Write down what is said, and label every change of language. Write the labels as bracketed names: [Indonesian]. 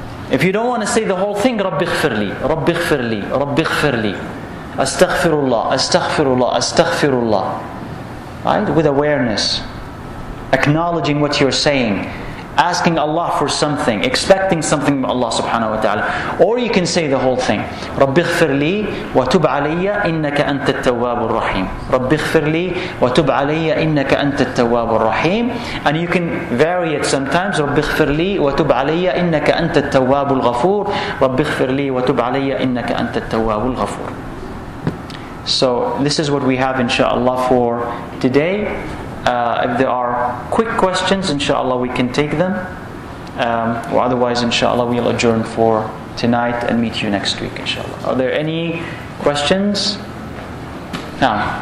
[English] If you don't want to say the whole thing, Rabbi ighfirli, Rabbi ighfirli, Rabbi ighfirli, Astaghfirullah, Astaghfirullah, Astaghfirullah. Right? With awareness, acknowledging what you're saying, asking Allah for something, expecting something from Allah subhanahu wa ta'ala. Or you can say the whole thing. [Arabic] رَبِّ اغْفِرْ لِي وَتُبْ عَلَيَّ إِنَّكَ أَنْتَ التَّوَّابُ الرَّحِيمُ رَبِّ اغْفِرْ لِي وَتُبْ عَلَيَّ إِنَّكَ أَنْتَ التَّوَّابُ الرَّحِيمُ [English] And you can vary it sometimes. [Arabic] رَبِّ اغْفِرْ لِي وَتُبْ عَلَيَّ إِنَّكَ أَنْتَ التَّوَّابُ الْغَفُورُ رَبِّ اغْفِرْ لِي وَتُبْ عَلَيَّ إِنَّكَ أَنْتَ التَّوَّابُ الْغَفُورُ [English] So this is what we have inshaAllah for today. If there are quick questions, inshallah, we can take them. Or otherwise, inshallah, we'll adjourn for tonight and meet you next week, inshallah. Are there any questions? No.